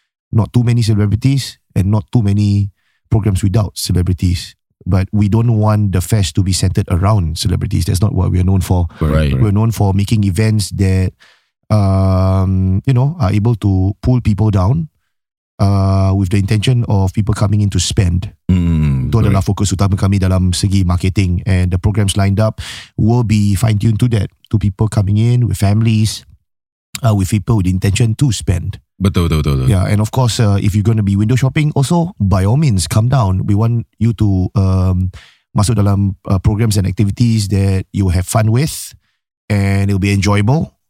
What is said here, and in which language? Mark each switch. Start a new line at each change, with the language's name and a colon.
English: Not too many celebrities and not too many programs without celebrities. But we don't want the fest to be centered around celebrities. That's not what we are known for. Right. We're known for making events that, you know, are able to pull people down with the intention of people coming in to spend.
Malay: Itu adalah fokus utama kami dalam segi marketing.
English: And the programs lined up will be fine-tuned to that. To people coming in with families, with people with intention to spend.
Malay: Betul.
English: Yeah, and of course, if you're going to be window shopping, also, by all means, come down. We want you to
Malay: masuk dalam
English: programs and activities that you have fun with and it'll be enjoyable.